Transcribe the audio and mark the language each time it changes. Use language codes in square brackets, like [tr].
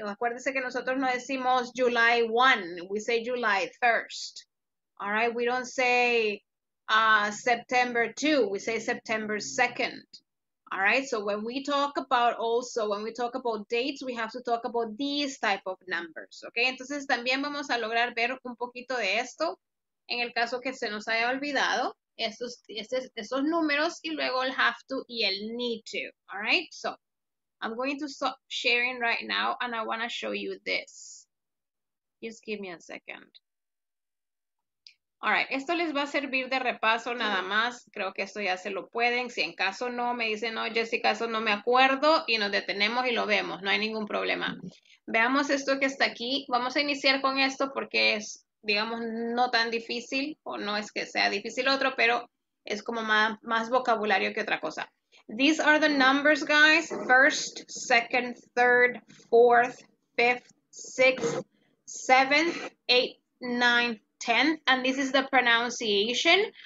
[es] Acuérdense que nosotros no decimos July 1, [en] we say July 1st, all right? We don't say September 2, we say September 2nd. All right, so when we talk about also, when we talk about dates, we have to talk about these type of numbers, okay? [es] Entonces, también vamos a lograr ver un poquito de esto en el caso que se nos haya olvidado. esos números y luego el have to y el need to. [en] All right, so I'm going to stop sharing right now and I want to show you this. Just give me a second. All right, [es] esto les va a servir de repaso nada más. Creo que esto ya se lo pueden. Si en caso no, me dicen, no, Jessica, eso no me acuerdo, y nos detenemos y lo vemos. No hay ningún problema. Veamos esto que está aquí. Vamos a iniciar con esto porque es, digamos, no tan difícil, o no es que sea difícil otro, pero es como más vocabulario que otra cosa. [en] These are the numbers, guys. First, second, third, fourth, fifth, sixth, seventh, eighth, ninth, 10th, and this is the pronunciation.